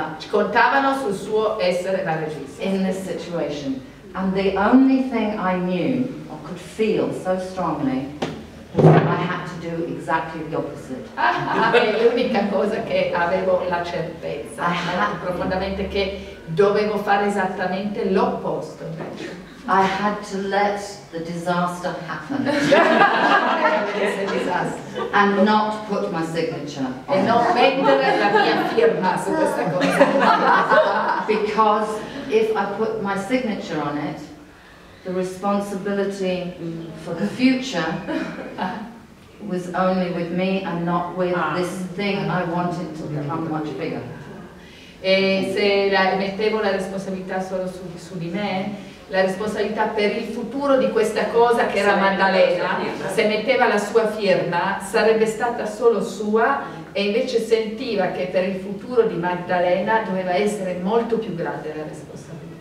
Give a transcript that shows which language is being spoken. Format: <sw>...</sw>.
<it>Contavano sul suo essere la regista.</it> <en>In this situation. And the only thing I knew or could feel so strongly was that I had to do exactly the opposite.</en> <it>L'unica cosa che avevo la certezza, profondamente, che dovevo fare esattamente l'opposto.</it> <en>I had to let the disaster happen. It's a disaster. And not put my signature.</en> <it>E non mettere la mia firma su questa cosa.</it> <en>Because if I put my signature on it, the responsibility for the future was only with me and not with this thing I wanted to become much bigger.</en> <it>E se mettevo la responsabilità solo su di me, la responsabilità per il futuro di questa cosa che era Maddalena, se metteva la sua firma, sarebbe stata solo sua, e invece sentiva che per il futuro di Maddalena doveva essere molto più grande la responsabilità.</it>